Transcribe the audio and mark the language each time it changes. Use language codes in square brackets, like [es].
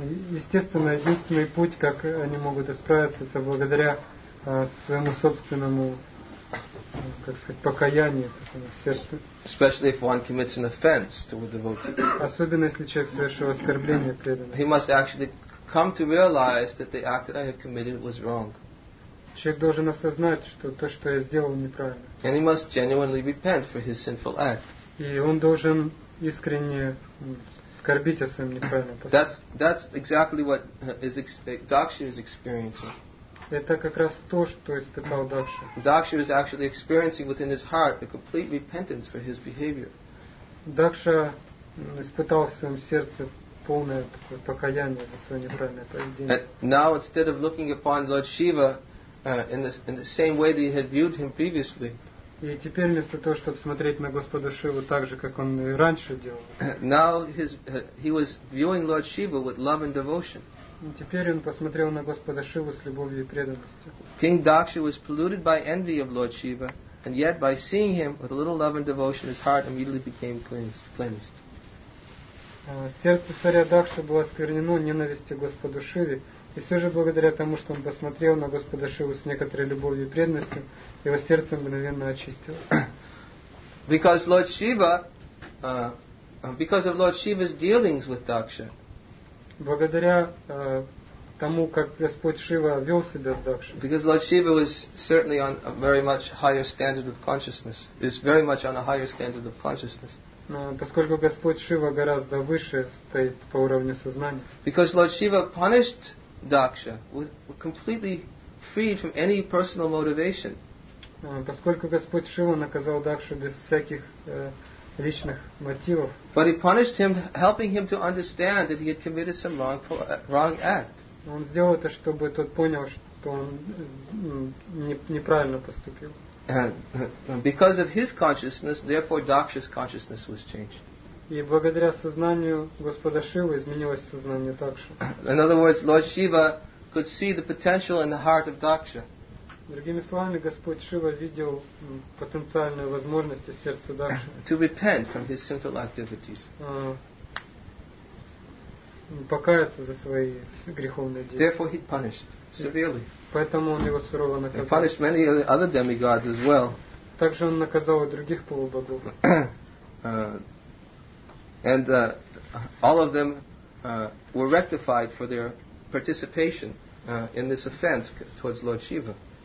[ru] Естественно, единственный путь, как они могут исправиться, это благодаря своему собственному, как сказать, покаянию, сердцу. [en] Especially if one commits an offense to a devotee. [ru] Особенно если человек совершил оскорбление преданному. [en] He must actually come to realize that the act that I have committed was wrong. [ru] Человек должен осознать, что то, что я сделал, неправильно. [en] And he must genuinely repent for his sinful act. [ru] И он должен искренне скорбить о своем неправильном поступке. [en] That's exactly what Daksha is experiencing. [ru] Это как раз то, что испытал Дакша. [en] Дакша is actually experiencing within his heart a complete repentance for his behavior. [ru] Дакша испытал в своем сердце полное такое покаяние за свое неправильное поведение. [en] Now instead of looking upon Lord Shiva in the same way that he had viewed him previously. [ru] И теперь вместо того, чтобы смотреть на Господа Шиву так же, как он и раньше делал. [en] Now he was viewing Lord Shiva with love and devotion. [ru] Теперь он посмотрел на Господа Шиву с любовью и преданностью. [en] King Daksha was polluted by envy of Lord Shiva, and yet by seeing him with a little love and devotion, his heart immediately became cleansed. [ru] Сердце царя Дакши было осквернено ненавистью Господу Шиве, и все же благодаря тому, что он посмотрел на Господа Шиву с некоторой любовью и преданностью, его сердце мгновенно очистилось. [en] Because Lord Shiva, because of Lord Shiva's dealings with Daksha. [ru] Благодаря тому, как Господь Шива вел себя с Дакшей. [en] Because Lord Shiva was certainly on a very much higher standard of consciousness. Is very much on a higher standard of consciousness. [ru] Поскольку Господь Шива гораздо выше стоит по уровню сознания. [en] Because Lord Shiva punished Daksha with completely freed from any personal motivation. [ru] Поскольку Господь Шива наказал Дакшу без всяких личных мотивов. [en] But he punished him, helping him to understand that he had committed some wrong act. [ru] Он сделал это, чтобы тот понял, что он неправильно поступил. [en] Because of his consciousness, therefore Daksha's consciousness was changed. [ru] И благодаря сознанию Господа Шивы изменилось сознание Дакши. [en] In other words, Lord Shiva could see the potential in the heart of Daksha. [ru] Другими словами, Господь Шива видел потенциальную возможность в сердце Дакши. [en] To repent from his sinful activities. [ru] Покаяться за свои греховные действия. [en] Therefore he punished severely. [ru] Поэтому он его сурово наказал. [en] He punished many other demigods as well. [ru] Также он наказал и других полубогов. [en] And all of them were rectified for their participation in this offense towards Lord Shiva.